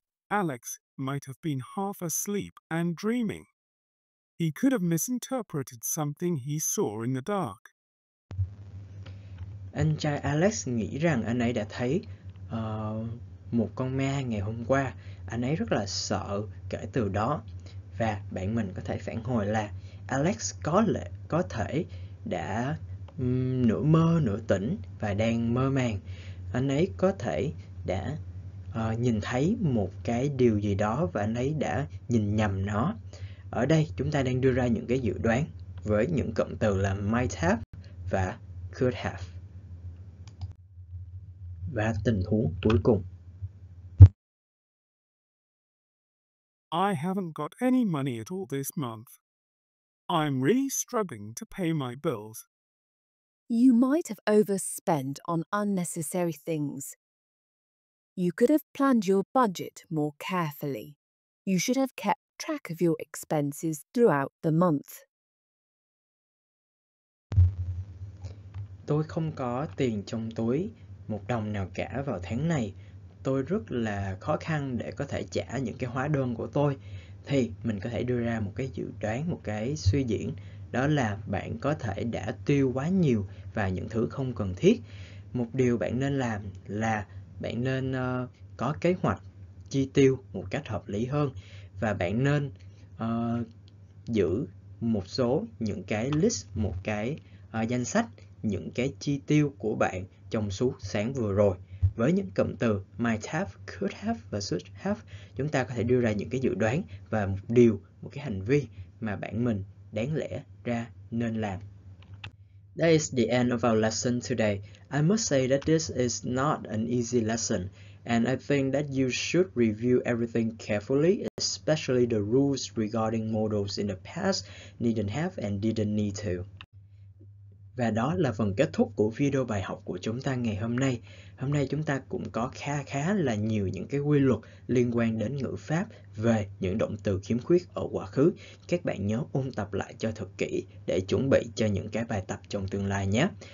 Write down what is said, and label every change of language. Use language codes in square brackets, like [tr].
[en] Alex might have been half asleep and dreaming. He could have misinterpreted something he saw in the dark. [vi] Anh trai Alex nghĩ rằng anh ấy đã thấy một con ma ngày hôm qua. Anh ấy rất là sợ kể từ đó. Và bạn mình có thể phản hồi là Alex có thể đã nửa mơ, nửa tỉnh và đang mơ màng. Anh ấy có thể đã nhìn thấy một cái điều gì đó và anh ấy đã nhìn nhầm nó. Ở đây chúng ta đang đưa ra những cái dự đoán với những cụm từ là might have và could have. Và tình huống cuối cùng. [en] I haven't got any money at all this month. I'm really struggling to pay my bills. You might have overspent on unnecessary things. You could have planned your budget more carefully. You should have kept track of your expenses throughout the month. [vi] Tôi không có tiền trong túi một đồng nào cả vào tháng này. Tôi rất là khó khăn để có thể trả những cái hóa đơn của tôi. Thì mình có thể đưa ra một cái dự đoán, một cái suy diễn. Đó là bạn có thể đã tiêu quá nhiều vào những thứ không cần thiết. Một điều bạn nên làm là bạn nên có kế hoạch chi tiêu một cách hợp lý hơn. Và bạn nên giữ một số những cái list, một cái danh sách, những cái chi tiêu của bạn trong suốt sáng vừa rồi. Với những cụm từ might have, could have và should have, chúng ta có thể đưa ra những cái dự đoán và một điều, một cái hành vi mà bạn mình đáng lẽ ra nên làm. [en] That is the end of our lesson today. I must say that this is not an easy lesson, and I think that you should review everything carefully, especially the rules regarding models in the past, needn't have and didn't need to. [vi] Và đó là phần kết thúc của video bài học của chúng ta ngày hôm nay. Hôm nay chúng ta cũng có khá là nhiều những cái quy luật liên quan đến ngữ pháp về những động từ khiếm khuyết ở quá khứ. Các bạn nhớ ôn tập lại cho thật kỹ để chuẩn bị cho những cái bài tập trong tương lai nhé.